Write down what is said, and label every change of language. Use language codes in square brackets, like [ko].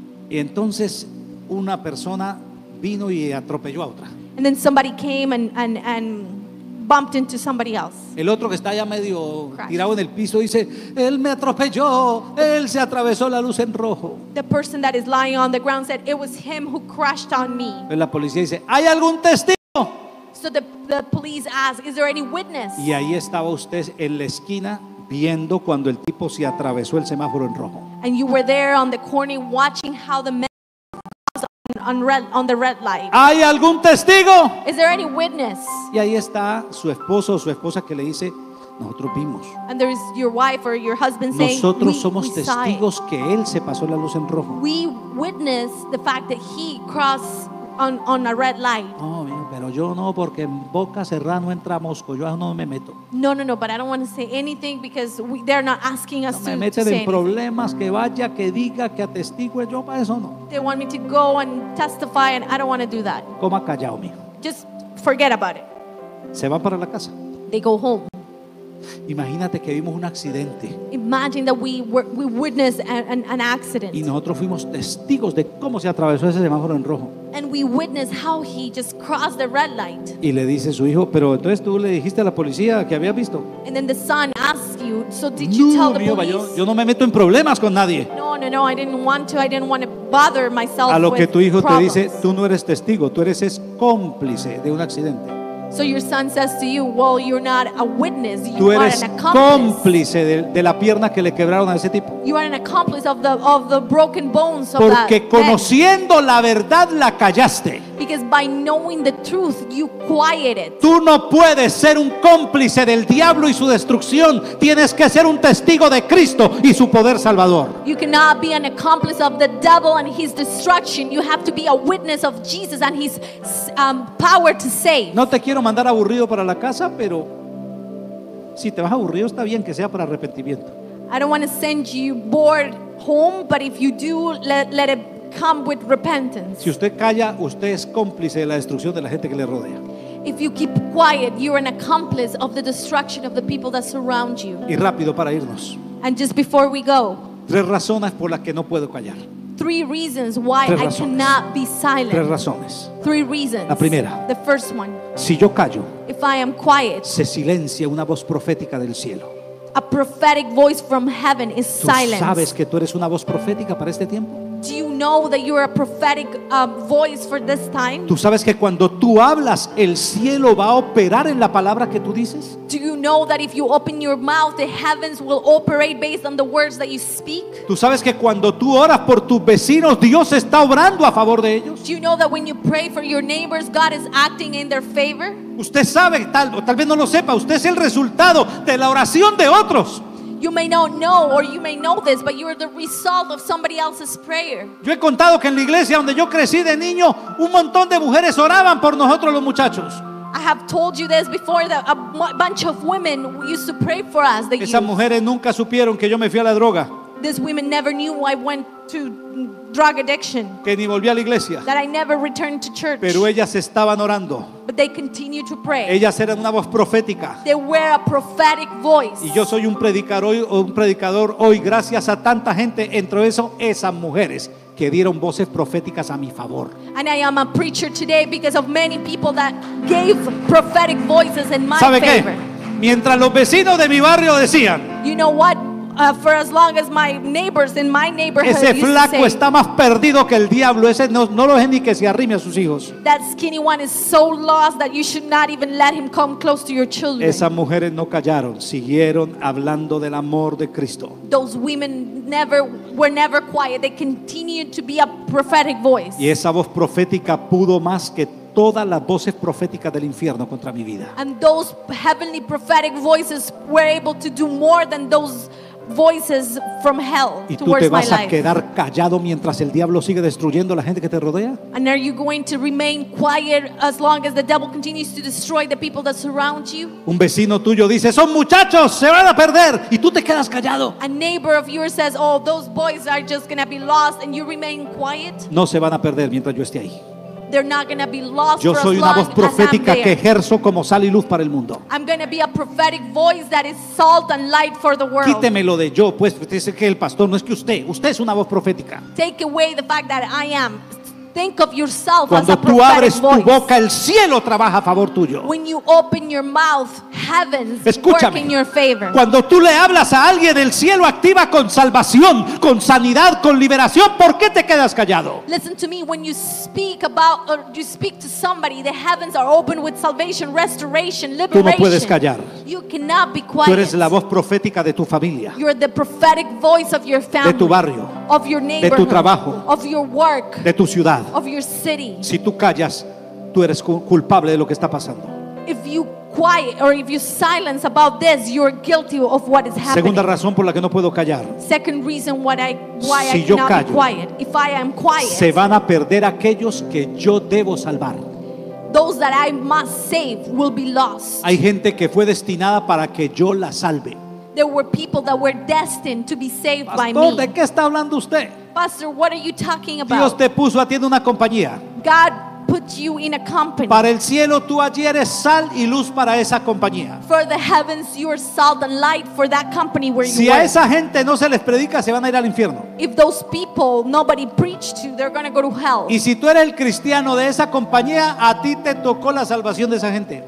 [es] Y entonces una persona vino y atropelló a otra. [en] And then somebody came and bumped into somebody else. [es] El otro que está ya medio tirado en el piso dice, él me atropelló, él se atravesó la luz en rojo. [en] The person that is lying on the ground said, it was him who crashed on me. [es] Pues la policía dice, ¿hay algún testigo? [en] So the police ask, is there any witness? [es] Y ahí estaba usted en la esquina viendo cuando el tipo se atravesó el semáforo en rojo. [en] And you were there on the corner watching how the man was on the red light. [es] ¿Hay algún testigo? [en] Is there any witness? [es] Y ahí está su esposo o su esposa que le dice, nosotros vimos. [en] And there is your wife or your husband saying, [es] nosotros somos [en] we [es] testigos que él se pasó la luz en rojo. [en] We witnessed the fact that he crossed on a red light. [es] No, pero yo no, porque en boca cerrada no entra mosco. Yo no me meto. [en] No, but I don't want to say anything because they're not asking us [es] no [en] to [es] me meten [en] to say [es] en problemas, [en] anything. [es] Que vaya, que diga, que atestigue, yo para eso no. [en] They want me to go and testify and I don't want to do that. [es] Coma callao, mijo. [en] Just forget about it. [es] Se van para la casa. [en] They go home. [es] Imagínate que vimos un accidente. [en] Imagine that we witnessed an accident. [es] Y nosotros fuimos testigos de cómo se atravesó ese semáforo en rojo. [en] And we witnessed how he just crossed the red light. [es] Y le dice su hijo, pero entonces tú le dijiste a la policía que había visto. [en] And then the son asks you, so did you tell the police? [es] Yo no me meto en problemas con nadie. [en] No, I didn't want to bother myself. [es] A lo que [en] with [es] tu hijo [en] problems. [es] Te dice, tú no eres testigo, tú eres es cómplice de un accidente. [en] So your son says to you, well, you're not a witness, you [es] tú [en] are [es] eres [en] an accomplice. [es] Cómplice de la pierna que le quebraron a ese tipo. [en] You are an accomplice of the broken bones of [es] porque Porque conociendo [en] head. [es] La verdad la callaste. [en] Because by knowing the truth you quieted. [es] Tú no puedes ser un cómplice del diablo y su destrucción, tienes que ser un testigo de Cristo y su poder salvador. [en] You cannot be an accomplice of the devil and his destruction, you have to be a witness of Jesus and his power to save. [es] No te quiero mandar aburrido para la casa, pero si te vas aburrido está bien que sea para arrepentimiento. [en] I don't want to send you bored home, but if you do, let it come with repentance. [es] Si usted calla, usted es cómplice de la destrucción de la gente que le rodea. [en] If you keep quiet, you're an accomplice of the destruction of the people that surround you. [es] Y rápido para irnos. [en] And just before we go. [es] Tres razones por las que no puedo callar. [en] Three reasons why I cannot be silent. [es] Tres razones. [en] Three reasons. [es] La primera. [en] The first one. [es] Si yo callo. [en] If I am quiet. [es] Se silencia una voz profética del cielo. [en] a prophetic voice from heaven is silenced. [es] ¿Tú sabes que tú eres una voz profética para este tiempo? [en] Do you know that you are a prophetic voice for this time? [es] ¿Tú sabes que cuando tú hablas, el cielo va a operar en la palabra que tú dices? [en] Do you know that if you open your mouth, the heavens will operate based on the words that you speak? [es] ¿Tú sabes que cuando tú oras por tus vecinos, Dios está obrando a favor de ellos? [en] Do you know that when you pray for your neighbors, God is acting in their favor? [es] Usted sabe, tal vez no lo sepa, usted es el resultado de la oración de otros. [en] You may not know, or you may know this, but you are the result of somebody else's prayer. [es] Yo he contado que en la iglesia donde yo crecí de niño, un montón de mujeres oraban por nosotros los muchachos. [en] I have told you this before, that a bunch of women used to pray for us. [es] Esas mujeres nunca supieron que yo me fui a la droga. [en] These women never knew I went to drug addiction. [es] Que ni volví a la iglesia. [en] That I never returned to church. [es] Pero ellas estaban orando. [en] But they continued to pray. [es] Ellas eran una voz profética. [en] They were a prophetic voice. [es] Y yo soy un predicador hoy, gracias a tanta gente, entre eso, esas mujeres que dieron voces proféticas a mi favor. [en] And I am a preacher today because of many people that gave prophetic voices in my favor. [es] ¿Sabe qué? Mientras los vecinos de mi barrio decían, [en] you know what? For as long as my neighbors in my neighborhood, [es] ese flaco está más perdido que el diablo. Ese no lo dejen ni que se arrime a sus hijos. [en] That skinny one is so lost that you should not even let him come close to your children. [es] Esas mujeres no callaron, siguieron hablando del amor de Cristo. [en] Those women were never quiet. They continued to be a prophetic voice. [es] Y esa voz profética pudo más que todas las voces proféticas del infierno contra mi vida. [en] And those heavenly prophetic voices were able to do more than those voices from hell towards my life. [es] ¿Y tú te vas a quedar callado mientras el diablo sigue destruyendo la gente que te rodea? [en] And are you going to remain quiet as long as the devil continues to destroy the people that surround you? [es] Un vecino tuyo dice, "Son muchachos, se van a perder." ¿Y tú te quedas callado? [en] A neighbor of yours says, "Oh, those boys are just going to be lost," and you remain quiet? [es] No se van a perder mientras yo esté ahí. [en] They're not going to be lost. [es] Yo soy una voz profética que ejerzo como sal y luz para el mundo. [en] I'm going to be a prophetic voice that is salt and light for the world. [es] Quítemelo de yo, pues dice que el pastor, no es que usted es una voz profética. [en] Take away the fact that I am. Think of yourself [es] cuando [en] as a prophetic voice. [es] Cuando tú abres tu boca, el cielo trabaja a favor tuyo. [en] When you open your mouth, heaven's [es] escúchame, [en] working in your favor. [es] Cuando tú le hablas a alguien, el cielo activa con salvación, con sanidad, con liberación. ¿Por qué te quedas callado? [en] Listen to me. When you speak about or you speak to somebody, the heavens are open with salvation, restoration, liberation. [es] Tú no puedes callar. [en] You cannot be quiet. [es] Tú eres la voz profética de tu familia. [en] You're the prophetic voice of your family. [es] De tu barrio. [en] Of your neighborhood. [es] De tu trabajo. [en] Of your work. [es] De tu ciudad. [en] Of your city. [es] Si tú callas, tú eres culpable de lo que está pasando. [en] If you quiet or if you silence about this, you're guilty of what is happening. [es] Segunda razón por la que no puedo callar. [en] Second reason why [es] si [en] I cannot [es] callo, [en] be quiet. If I am quiet, [es] se van a perder aquellos que yo debo salvar. [en] Those that I must save will be lost. [es] Hay gente que fue destinada para que yo la salve. [en] There were people that were destined to be saved. [es] Pastor, [en] by me. [es] ¿De qué está hablando usted? [en] Pastor, what are you talking about? [es] Dios te puso a ti en una compañía. [en] God put you in a company. [es] Para el cielo, tú allí eres sal y luz para esa compañía. [en] For the heavens, you are salt and light for that company where you work. [es] Si a esa gente no se les predica, se van a ir al infierno. [en] If those people nobody preached to, they're going to go to hell. [es] Y si tú eres el cristiano de esa compañía, a ti te tocó la salvación de esa gente.